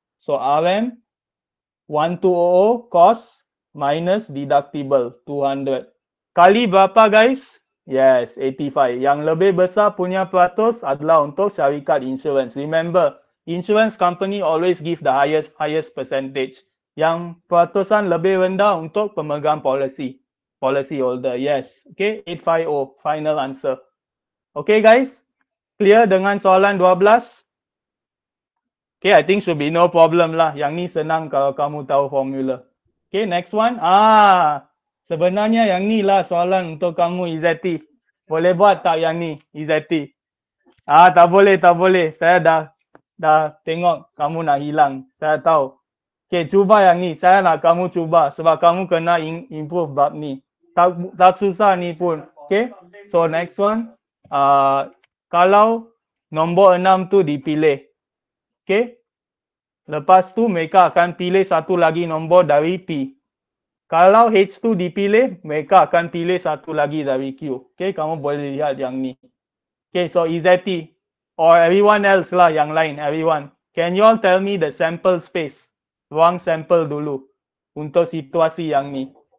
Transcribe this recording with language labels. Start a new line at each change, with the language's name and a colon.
English: So RM 1200 cost minus deductible 200.
Malay: Kali berapa guys? Yes, 85. Yang lebih besar punya peratus adalah untuk syarikat insurance.
English: Remember, insurance company always give the highest percentage.
Malay: Yang peratusan lebih rendah untuk pemegang policy.
English: Policy holder, yes. Okay, 850, final answer. Okay guys, clear dengan soalan 12? Okay, I think should be no problem lah.
Malay: Yang ni senang kalau kamu tahu formula.
English: Okay, next one.
Malay: Ah, sebenarnya yang ni lah soalan untuk kamu, Izati. Boleh buat tak yang ni, Izati? Ah, tak boleh, tak boleh. Saya dah tengok kamu nak hilang. Saya tahu. Okay, cuba yang ni. Saya nak kamu cuba sebab kamu kena improve bab ni. Tak susah ni pun.
English: Okay, so next one.
Malay: Kalau nombor 6 tu dipilih. Okay. Lepas tu mereka akan pilih satu lagi nombor dari P. Kalau H tu dipilih, mereka akan pilih satu lagi dari Q. Okay, kamu boleh lihat yang ni. Okay,
English: so Izati or everyone else
Malay: lah yang lain, everyone.
English: Can you all tell me the sample space?
Malay: Ruang sample dulu untuk situasi yang ni.